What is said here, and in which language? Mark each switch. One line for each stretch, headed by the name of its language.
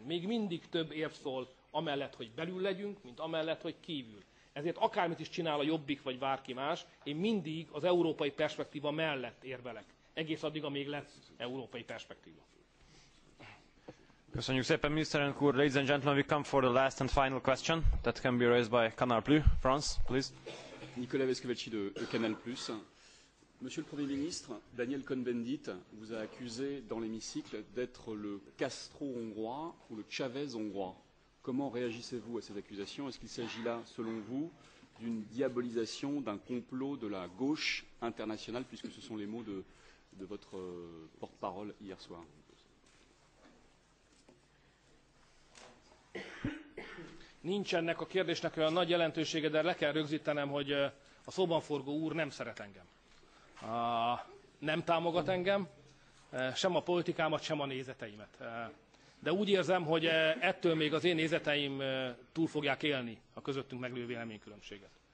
Hungarian: Még mindig több érv szól amellett, hogy belül legyünk, mint amellett, hogy kívül. Ezért akármit is csinál a Jobbik vagy bárki más, én mindig az európai perspektíva mellett érvelek. Egész addig, amíg lesz európai perspektíva. Köszönjük szépen, miniszterelnök úr.
English: Ladies and gentlemen, we come for the last and final question that can be raised by Canal Plus. France, please.
French: Nicolas Vesquevici de Canal Plus. Monsieur le Premier ministre, Daniel Cohn-Bendit vous a accusé dans l'hémicycle d'être le Castro hongrois ou le Chavez hongrois. Comment réagissez-vous à ces accusations? Est-ce qu'il s'agit là, selon vous, d'une diabolisation, d'un complot de la gauche internationale, puisque ce sont les mots de votre porte-parole hier soir?
Hungarian: Nincs ennek a kérdésnek olyan nagy jelentősége, de le kell rögzítenem, hogy a szóban forgó úr nem szeret engem. Nem támogat engem, sem a politikámat, sem a nézeteimet. De úgy érzem, hogy ettől még az én nézeteim túl fogják élni a közöttünk meglévő véleménykülönbséget.